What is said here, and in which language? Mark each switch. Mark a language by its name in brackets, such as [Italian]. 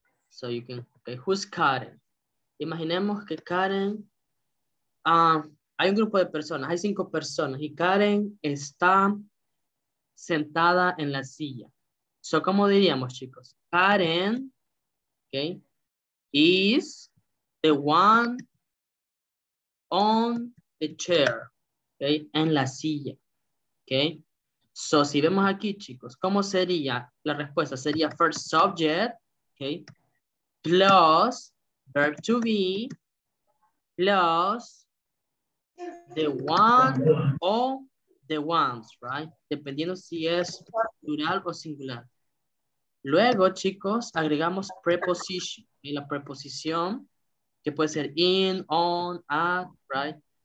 [English] So you can, okay, who's Karen? [Spanish] Imaginemos que Karen, hay un grupo de personas, hay cinco personas, y Karen está sentada en la silla. So, ¿cómo diríamos, chicos? [English] Karen, okay, is the one on the chair. [Spanish] Okay, en la silla, okay. So, si vemos aquí, chicos, ¿cómo sería la respuesta? Sería [English] first subject, okay, plus verb to be, plus the one o the ones, right? [Spanish] Dependiendo si es plural o singular. Luego, chicos, agregamos preposition, okay, la preposición que puede ser in, on, at, right?